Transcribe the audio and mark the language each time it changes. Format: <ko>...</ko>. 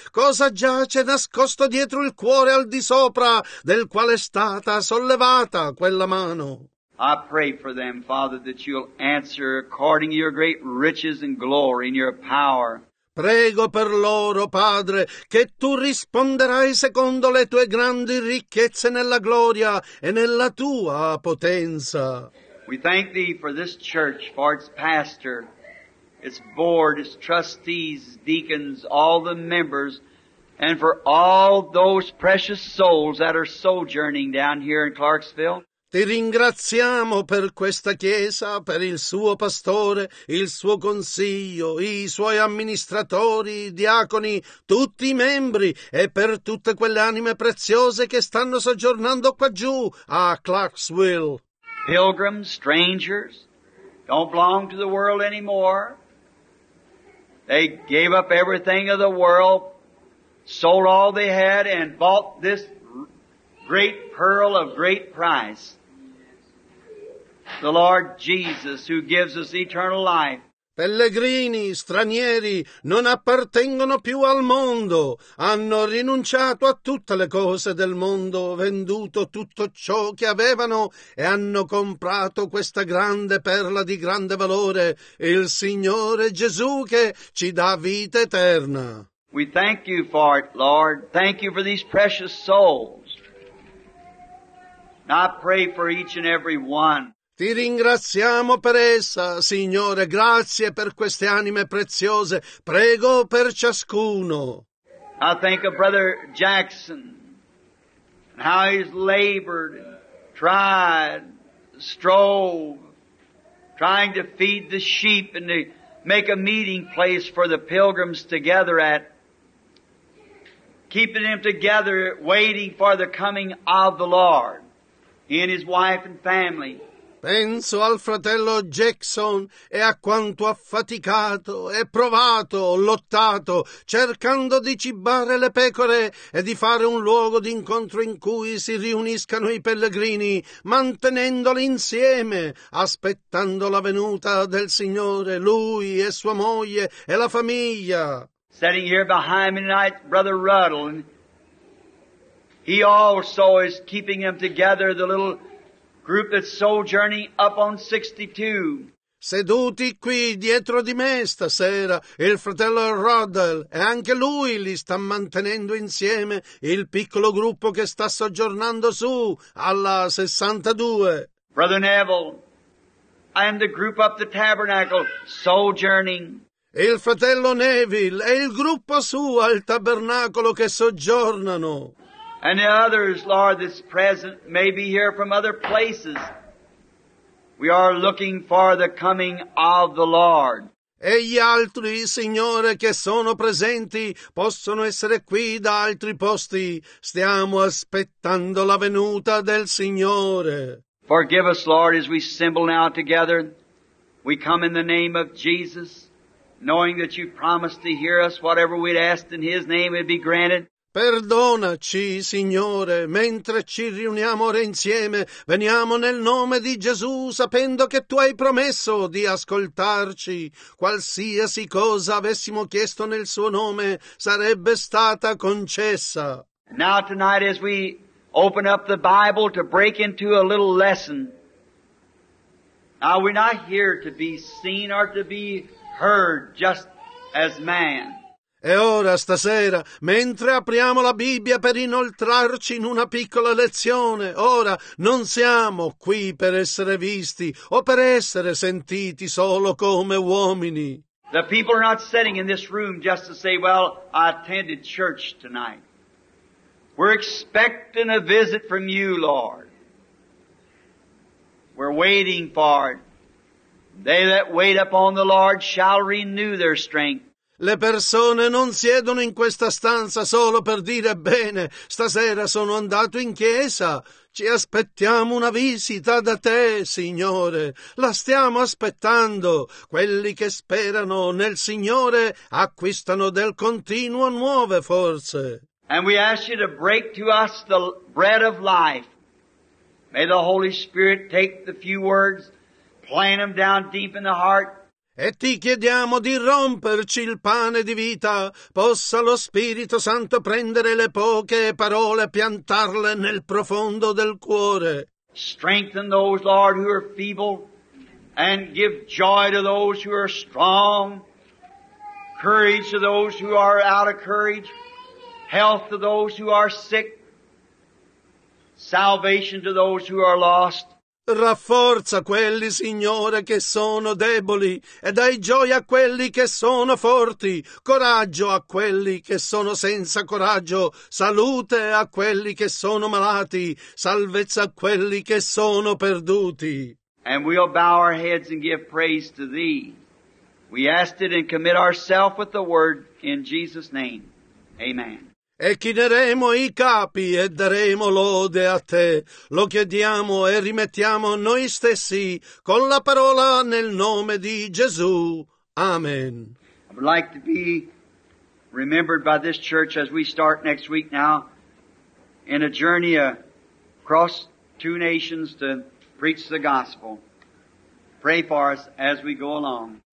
<it>Cosa giace nascosto dietro il cuore al di sopra del quale è stata sollevata quella mano?</it> <en>I pray for them, Father, that you'll answer according to your great riches and glory and your power.</en> <it>Prego per loro, Padre, che tu risponderai secondo le tue grandi ricchezze nella gloria e nella tua potenza.</it> <en>We thank thee for this church, for its pastor, its board, its trustees, deacons, all the members, and for all those precious souls that are sojourning down here in Clarksville.</en> <it>Ti ringraziamo per questa Chiesa, per il suo pastore, il suo consiglio, i suoi amministratori, i diaconi, tutti i membri e per tutte quelle anime preziose che stanno soggiornando qua giù a Clarksville.</it> <en>Pilgrims, strangers, don't belong to the world anymore. They gave up everything of the world sold all they had and bought this great pearl of great price. The Lord Jesus who gives us eternal life.</en> <it>Pellegrini, stranieri, non appartengono più al mondo. Hanno rinunciato a tutte le cose del mondo, venduto tutto ciò che avevano e hanno comprato questa grande perla di grande valore, il Signore Gesù che ci dà vita eterna.</it> <en>We thank you for it, Lord. Thank you for these precious souls. And I pray for each and every one.</en> <it>Ti ringraziamo per essa, Signore. Grazie per queste anime preziose. Prego per ciascuno.</it> <en>I think of Brother Jackson and how he's labored, tried, strove, trying to feed the sheep and to make a meeting place for the pilgrims to gather at, keeping them together, waiting for the coming of the Lord, he and his wife and family.</en> <it>Penso al fratello Jackson e a quanto ha faticato e provato, lottato, cercando di cibare le pecore e di fare un luogo d'incontro in cui si riuniscano i pellegrini, mantenendoli insieme, aspettando la venuta del Signore, lui e sua moglie e la famiglia.</it> <en>Sitting here behind me tonight, Brother Ruddle, he also is keeping them together, the little group that's sojourning up on 62.</en> <it>Seduti qui dietro di me stasera, il fratello Ruddle, e anche lui li sta mantenendo insieme, il piccolo gruppo che sta soggiornando su alla 62.</it> <en>Brother Neville, I am the group up the tabernacle, sojourning.</en> <it>Il fratello Neville e il gruppo su al tabernacolo che soggiornano.</it> <en>And the others, Lord, that's present may be here from other places. We are looking for the coming of the Lord.</en> <it>E gli altri, Signore, che sono presenti, possono essere qui da altri posti. Stiamo aspettando la venuta del Signore.</it> <en>Forgive us, Lord, as we assemble now together. We come in the name of Jesus, knowing that you promised to hear us. Whatever we'd asked in his name, it'd be granted.</en> <it>Perdonaci, Signore, mentre ci riuniamo ora insieme, veniamo nel nome di Gesù, sapendo che Tu hai promesso di ascoltarci. Qualsiasi cosa avessimo chiesto nel Suo nome sarebbe stata concessa.</it> <en>Now tonight as we open up the Bible to break into a little lesson, now we're not here to be seen or to be heard just as man.</en> <it>E ora, stasera, mentre apriamo la Bibbia per inoltrarci in una piccola lezione, ora non siamo qui per essere visti o per essere sentiti solo come uomini.</it> <en>The people are not sitting in this room just to say, well, I attended church tonight. We're expecting a visit from you, Lord. We're waiting for it. They that wait upon the Lord shall renew their strength.</en> <it>Le persone non siedono in questa stanza solo per dire bene, stasera sono andato in chiesa, ci aspettiamo una visita da te, Signore, la stiamo aspettando, quelli che sperano nel Signore acquistano del continuo nuove forze.</it> <en>And we ask you to break to us the bread of life. May the Holy Spirit take the few words, plant them down deep in the heart.</en> <it>E ti chiediamo di romperci il pane di vita, possa lo Spirito Santo prendere le poche parole e piantarle nel profondo del cuore.</it> <en>Strengthen those, Lord, who are feeble, and give joy to those who are strong, courage to those who are out of courage, health to those who are sick, salvation to those who are lost.</en> <it>Rafforza quelli, Signore, che sono deboli, e dai gioia a quelli che sono forti, coraggio a quelli che sono senza coraggio, salute a quelli che sono malati, salvezza a quelli che sono perduti.</it> <en>And we'll bow our heads and give praise to Thee. We ask it and commit ourselves with the word in Jesus' name. Amen.</en> <it>E chineremo i capi e daremo lode a te. Lo chiediamo e rimettiamo noi stessi con la parola nel nome di Gesù. Amen.</it> <en>I would like to be remembered by this church as we start next week now in a journey across two nations to preach the gospel. Pray for us as we go along.</en>